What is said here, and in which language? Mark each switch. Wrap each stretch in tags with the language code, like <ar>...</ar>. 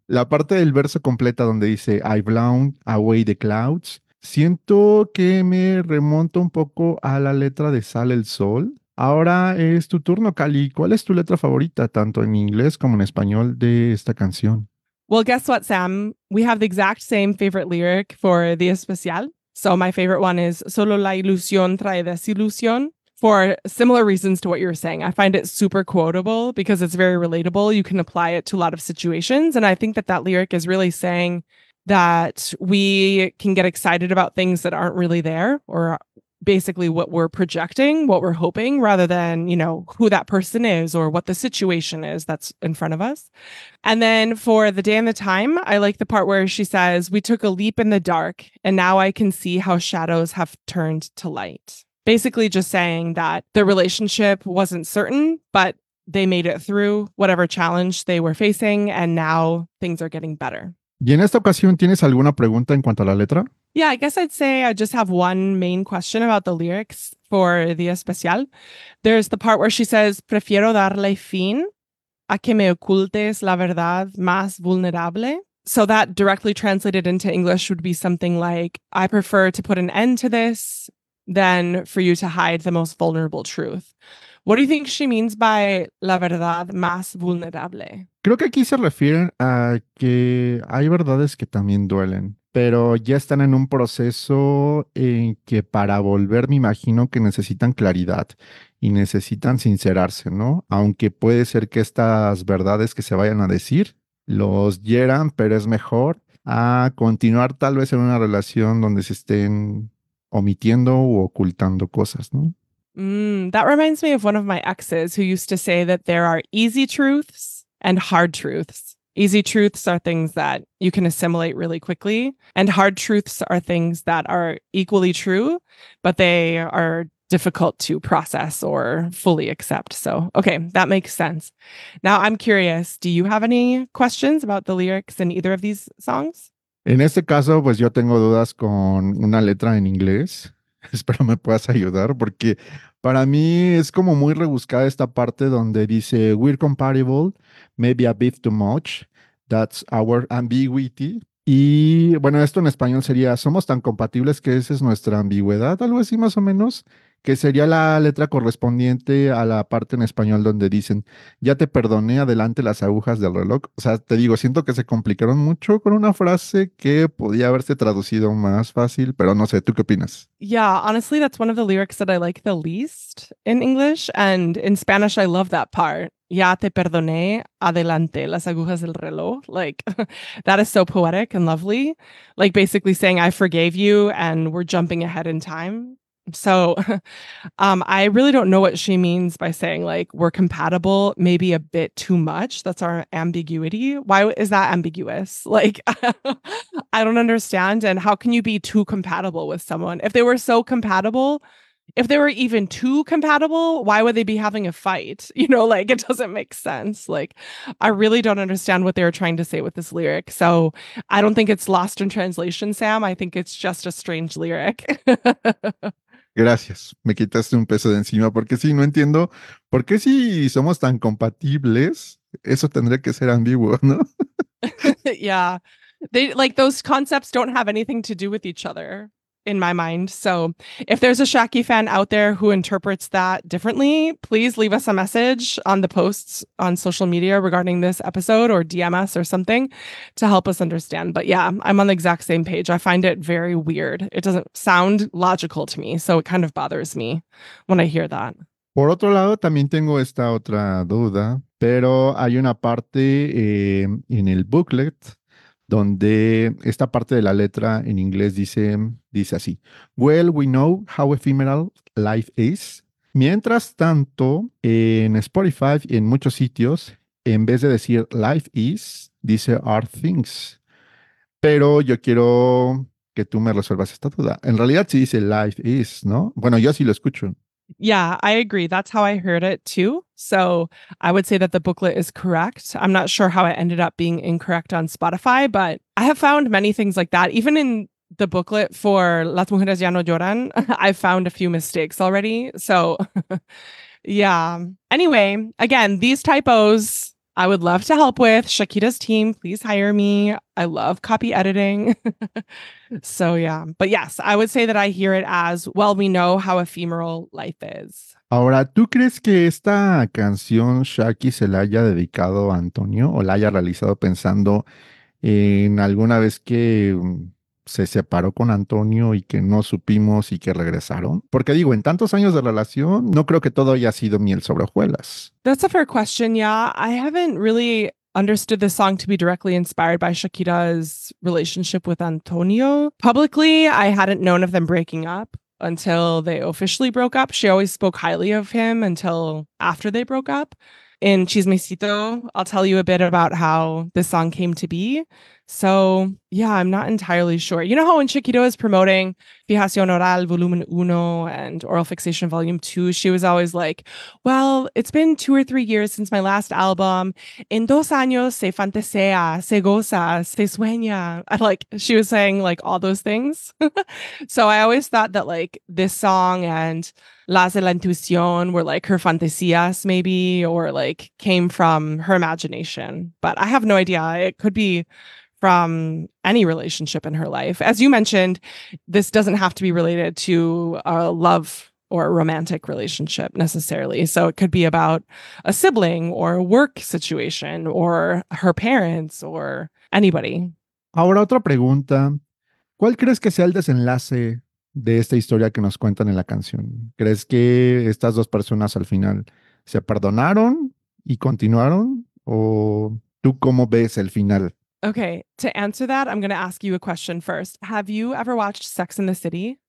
<es>La parte del verso completa donde dice</es> <en>"I've blown away the clouds",</en> <es>siento que me remonto un poco a la letra de "Sale el sol". Ahora es tu turno, Cali. ¿Cuál es tu letra favorita, tanto en inglés como en español, de esta canción?</es> <en>Well, guess what, Sam? We have the exact same favorite lyric for the especial. So my favorite one is</en> <es>"Solo la ilusión trae desilusión"</es> <en>for similar reasons to what you were saying. I find it super quotable because it's very relatable. You can apply it to a lot of situations. And I think that lyric is really saying that we can get excited about things that aren't really there, or basically what we're projecting, what we're hoping, rather than, you know, who that person is or what the situation is that's in front of us. And then for "The Day and the Time", I like the part where she says, "We took a leap in the dark and now I can see how shadows have turned to light." Basically just saying that the relationship wasn't certain, but they made it through whatever challenge they were facing and now things are getting better.</en> <es>¿Y en esta ocasión tienes alguna pregunta en cuanto a la letra?</es> <en>Yeah, I guess I'd say I just have one main question about the lyrics for the especial. There's the part where she says,</en> <es>"Prefiero darle fin a que me ocultes la verdad más vulnerable".</es> <en>So that directly translated into English would be something like, I prefer to put an end to this than for you to hide the most vulnerable truth. What do you think she means by</en> <es>la verdad más vulnerable? Creo que aquí se refieren a que hay verdades que también duelen, pero ya están en un proceso en que para volver me imagino que necesitan claridad y necesitan sincerarse, ¿no? Aunque puede ser que estas verdades que se vayan a decir los hieran, pero es mejor a continuar tal vez en una relación donde se estén omitiendo u ocultando cosas, ¿no?</es> <en>That reminds me of one of my exes who used to say that there are easy truths and hard truths. Easy truths are things that you can assimilate really quickly, and hard truths are things that are equally true, but they are difficult to process or fully accept. So, okay, that makes sense. Now I'm curious, do you have any questions about the lyrics in either of these songs?</en> <es>En este caso, pues yo tengo dudas con una letra en inglés. Espero me puedas ayudar porque para mí es como muy rebuscada esta parte donde dice</es> <en>we're compatible, maybe a bit too much, that's our ambiguity.</en> <es>Y bueno, esto en español sería somos tan compatibles que esa es nuestra ambigüedad, algo así más o menos, que sería la letra correspondiente a la parte en español donde dicen ya te perdoné, adelante las agujas del reloj. O sea, te digo, siento que se complicaron mucho con una frase que podía haberse traducido más fácil, pero no sé, ¿tú qué opinas?</es> <en>Yeah, honestly, that's one of the lyrics that I like the least in English, and in Spanish I love that part.</en> <es>Ya te perdoné, adelante las agujas del reloj.</es> <en>Like, that is so poetic and lovely. Like, basically saying I forgave you and we're jumping ahead in time. So I really don't know what she means by saying like we're compatible, maybe a bit too much. That's our ambiguity. Why is that ambiguous? Like, I don't understand. And how can you be too compatible with someone? If they were so compatible, if they were even too compatible, why would they be having a fight? You know, like it doesn't make sense. Like, I really don't understand what they're trying to say with this lyric. So I don't think it's lost in translation, Sam. I think it's just a strange lyric.</en> <es>Gracias, me quitaste un peso de encima, porque sí, no entiendo por qué si somos tan compatibles, eso tendría que ser ambiguo, ¿no?</es> <en>Yeah, they like those concepts don't have anything to do with each other in my mind. So if there's a Shaki fan out there who interprets that differently, please leave us a message on the posts on social media regarding this episode or DM us or something to help us understand. But yeah, I'm on the exact same page. I find it very weird. It doesn't sound logical to me. So it kind of bothers me when I hear that.</en> <es>Por otro lado, también tengo esta otra duda, pero hay una parte en el booklet donde esta parte de la letra en inglés dice así.</es> <en>Well, we know how ephemeral life is.</en> <es>Mientras tanto, en Spotify, en muchos sitios, en vez de decir</es> <en>life is,</en> <es>dice</es> <en>are things.</en> <es>Pero yo quiero que tú me resuelvas esta duda. En realidad sí dice life is, ¿no? Bueno, yo sí lo escucho.</es> <en>Yeah, I agree. That's how I heard it too. So I would say that the booklet is correct. I'm not sure how it ended up being incorrect on Spotify, but I have found many things like that. Even in the booklet for Las Mujeres Ya No Lloran, I've found a few mistakes already. So yeah. Anyway, again, these typos I would love to help with. Shakira's team, please hire me. I love copy editing. So yeah. But yes, I would say that I hear it as, well, we know how ephemeral life is.</en> <es>Ahora, ¿tú crees que esta canción Shaki se la haya dedicado a Antonio o la haya realizado pensando en alguna vez que se separó con Antonio y que no supimos y que regresaron? Porque digo, en tantos años de relación, no creo que todo haya sido miel sobre hojuelas.</es> <en>That's a fair question, yeah. I haven't really understood this song to be directly inspired by Shakira's relationship with Antonio. Publicly, I hadn't known of them breaking up until they officially broke up. She always spoke highly of him until after they broke up. In Chismecito, I'll tell you a bit about how this song came to be. So, yeah, I'm not entirely sure. You know how when Chiquito was promoting Fijación Oral Volumen 1 and Oral Fixation Volume 2, she was always like, well, it's been 2 or 3 years since my last album.</en> <es>En dos años se fantasea, se goza, se sueña.</es> <en>Like, she was saying, like, all those things. So I always thought that, like, this song and Las de la Intuición were, like, her fantasías, maybe, or, like, came from her imagination. But I have no idea. It could be from any relationship in her life. As you mentioned, this doesn't have to be related to a love or a romantic relationship necessarily. So it could be about a sibling or a work situation or her parents or anybody.</en> <es>Ahora otra pregunta. ¿Cuál crees que sea el desenlace de esta historia que nos cuentan en la canción? ¿Crees que estas dos personas al final se perdonaron y continuaron? ¿O tú cómo ves el final?</es> <en>Okay, to answer that, I'm going to ask you a question first. Have you ever watched Sex and the City?</en>